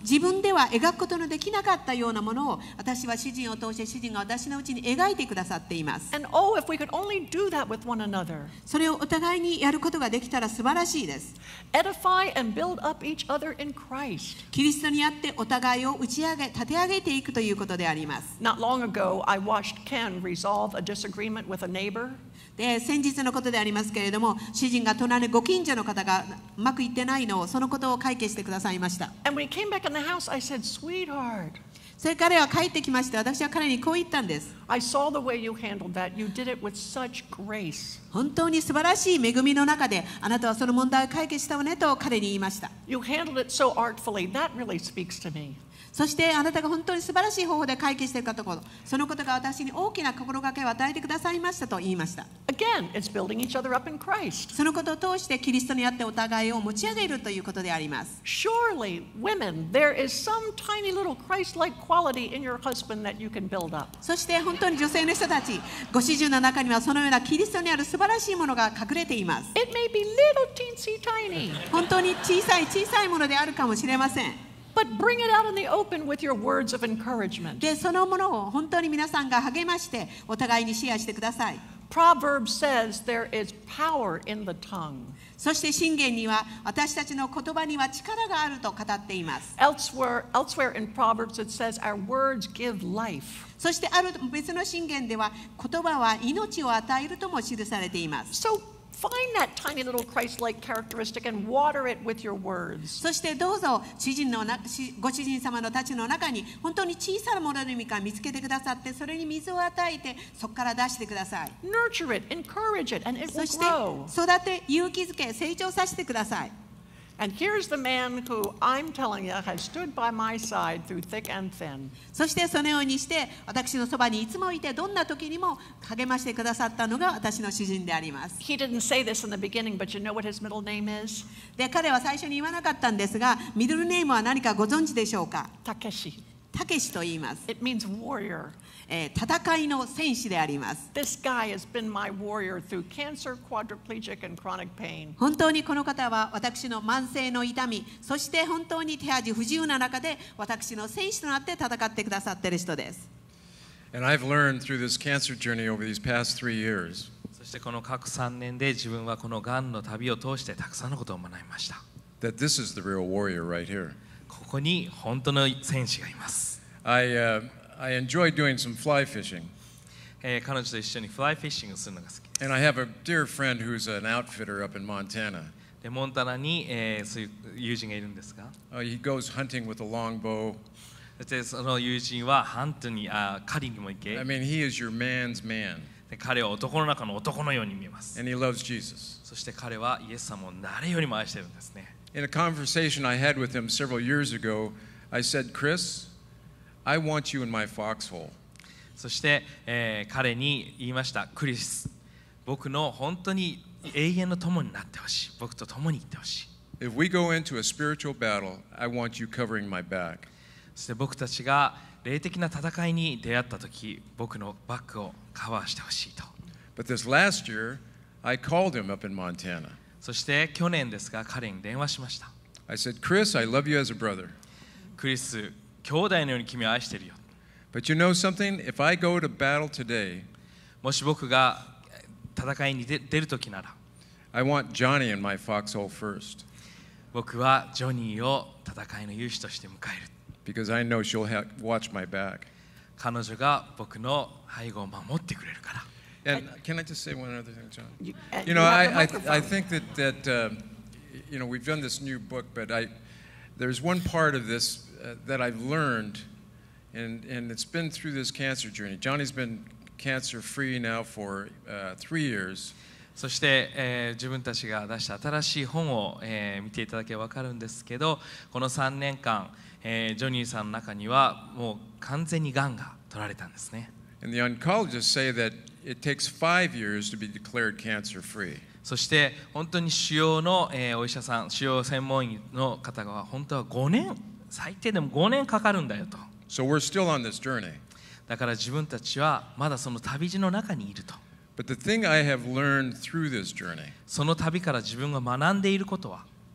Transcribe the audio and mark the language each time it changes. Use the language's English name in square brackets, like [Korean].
[Japanese] 自分では描くことのできなかったようなものを私は主人を通して主人が私のうちに描いてくださっています。 [English] And oh, if we could only do that with one another. [Japanese] それをお互いにやることができたら素晴らしいです。 [English] Edify and build up each other in Christ. [Japanese] キリストにあってお互いを打ち上げ、立て上げていくということであります。 [English] Not long ago, I watched Ken resolve a disagreement with a neighbor. [Japanese] で先日のことでありますけれども主人が隣ご近所の方がうまくいってないのをそのことを解決してくださいました。 [English] And when he came back in the house, I said, sweetheart. [Japanese] それ彼は帰ってきまして私は彼にこう言ったんです。 [English] I saw the way you handled that. You did it with such grace. [Japanese] 本当に素晴らしい恵みの中であなたはその問題を解決したわねと彼に言いました。 [English] You handled it so artfully. That really speaks to me. [Japanese] そしてあなたが本当に素晴らしい方法で解決していたところ、そのことが私に大きな心がけを与えてくださいましたと言いました。 [English] Again, it's building each other up in Christ. [Japanese] そのことを通してキリストにあってお互いを持ち上げるということであります。 [English] Surely, women, there is some tiny little Christ-like quality in your husband that you can build up. [Japanese] そして本当に女性の人たち、ご主人の中にはそのようなキリストにある素晴らしいものが隠れています。 [English] It may be little teensy tiny. [Japanese] 本当に小さい小さいものであるかもしれません。 [English] But bring it out in the open with your words of encouragement. [Japanese] で、そのものを本当に皆さんが励まして、お互いにシェアしてください。 [English] Proverbs says there is power in the tongue. [Japanese] そして箴言には、私たちの言葉には力があると語っています。 [English] Elsewhere in Proverbs it says our words give life. [Japanese] そしてある別の箴言では、言葉は命を与えるとも記されています。 [English] So,Find that tiny little Christ-like characteristic and water it with your words. [Japanese] そしてどうぞ主人のご主人様のたちの中に本当に小さなものの意味か見つけてくださってそれに水を与えてそこから出してください。 [English] Nurture it, encourage it, and it will grow. [Japanese] そして育て勇気づけ成長させてください。 [English] And here's the man who I'm telling you has stood by my side through thick and thin. [Japanese] そしてそのようにして私のそばにいつもいてどんな時にも励ましてくださったのが私の主人であります。 [English] He didn't say this in the beginning, but you know what his middle name is? [Japanese] で、彼は最初に言わなかったんですが、ミドルネームは何かご存知でしょうか？たけし。たけしと言います。 [English] It means warrior. [Japanese] 戦いの戦士であります。 [English] This guy has been my warrior through cancer, quadriplegic, and chronic pain. [Japanese] 本当にこの方は私の慢性の痛み、そして本当に手足不自由な中で私の戦士となって戦ってくださっている人です。 [English] And I've learned through this cancer journey over these past three years. [Japanese] そしてこの過去3年で自分はこのがんの旅を通してたくさんのことを学びました。 [English] That this is the real warrior right here. [Japanese] ここに本当の戦士がいます。 [English] I enjoy doing some fly fishing. [Japanese] 彼女と一緒にフライフィッシングするのが好きです。 [English] And I have a dear friend who's an outfitter up in Montana. [Japanese] で、モンタナに、そういう友人がいるんですか。 [English] He goes hunting with a longbow. [Japanese] そしてその友人はハントに、狩りにも行け。 [English] I mean, he is your man's man. [Japanese] で、彼は男の中の男のように見えます。 [English] And he loves Jesus. [Japanese] そして彼はイエス様を誰よりも愛してるんですね。 [English] In a conversation I had with him several years ago, I said, Chris, I want you in my foxhole. [Japanese] そして、彼に言いました、クリス、僕の本当に永遠の友になってほしい。僕と共に行ってほしい。 [English] If we go into a spiritual battle, I want you covering my back. [Japanese] そして僕たちが霊的な戦いに出会った時、僕のバッグをカバーしてほしいと。 [English] But this last year, I called him up in Montana. [Japanese] そして去年ですが、彼に電話しました。 [English] I said, Chris, I love you as a brother. [Japanese] クリス、兄弟のように君を愛してるよ。 [English] But you know something? If I go to battle today, [Japanese] もし僕が戦いに出る時なら、 [English] I want Johnny in my foxhole first. [Japanese] 僕はジョニーを戦いの勇士として迎える。 [English] Because I know she'll watch my back. [Japanese] 彼女が僕の背後を守ってくれるから。 [English] And can I just say one other thing, John? You know, I think that you know, we've done this new book, but there's one part of this that I've learned, and it's been through this cancer journey. Johnny's been cancer free now for 3 years. [Japanese] そして、自分たちが出した新しい本を、見ていただければ分かるんですけど、この3年間、ジョニーさんの中にはもう完全にがんが取られたんですね。 [English] And the oncologists say that it takes 5 years to be declared cancer free. [Japanese] そして本当に腫瘍の、お医者さん、腫瘍専門医の方が本当は5年、最低でも5年かかるんだよと。 [English] So we're still on this journey. [Japanese] だから自分たちはまだその旅路の中にいると。 [English] But the thing I have learned through this journey, [Japanese] その旅から自分が学んでいることは、